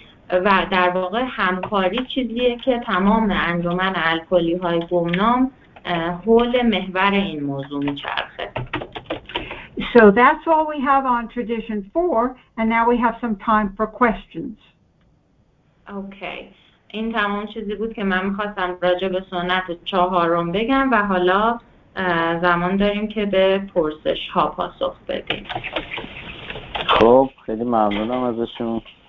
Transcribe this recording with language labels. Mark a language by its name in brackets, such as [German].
[Persian] و در واقع همکاری چیزیه که تمام انجمن الکلی های گمنام حول محور این موضوع میچرخه. [English] So that's all we have on tradition 4, and now we have some time for questions. Okay. [Persian] این تمام چیزی بود که من میخواستم راجع به سنت چهارم بگم و حالا زمان داریم که به پرسش ها پاسخ بدیم. خب خیلی ممنونم ازشون.